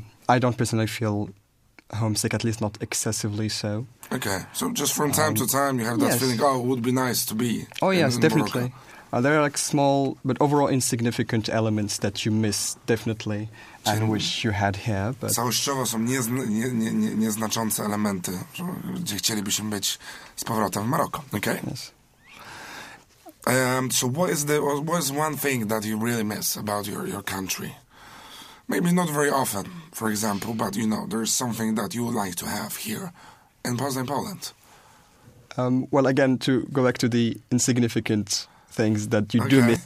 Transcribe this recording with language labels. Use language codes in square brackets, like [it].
[en] I don't personally feel homesick, at least not excessively so. Okay, so just from time to time you have that feeling, oh, it would be nice to be. Oh, yes, definitely. There are like small, but overall insignificant elements that you miss, definitely, and wish you had here. But [pl] całościowo są nieznaczące elementy, gdzie chcielibyśmy być z powrotem w Maroko, okay? [en] Yes. So what is one thing that you really miss about your country? Maybe not very often, for example, but, you know, there's something that you would like to have here in Poznań, Poland. Well, again, to go back to the insignificant things that you do miss